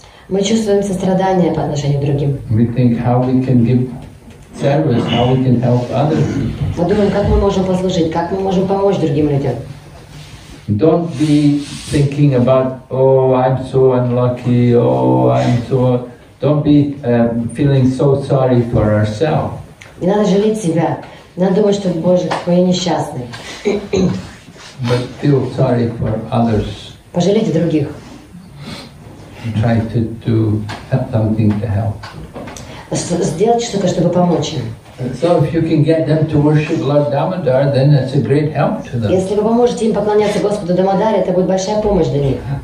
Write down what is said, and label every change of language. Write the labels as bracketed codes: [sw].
[ru] Мы чувствуем сострадание по отношению к другим. [en] We think how we can give service, how we can help others. [ru] Мы думаем, как мы можем послужить, как мы можем помочь другим людям. [en] Don't be thinking about, oh, I'm so unlucky, oh, I'm so. Don't be feeling so sorry for ourselves. [ru] Не надо жалеть себя. Надо думать, что, Боже, какой я несчастный. [en] But feel sorry for others. [ru] Пожалейте других. [en] Try to do something to help. [ru] Сделать что-то, чтобы помочь им. [en] So if you can get them to worship Lord Damodar, then that's a great help to them. [ru] Если вы поможете им поклоняться Господу Дамодаре, это будет большая помощь для них.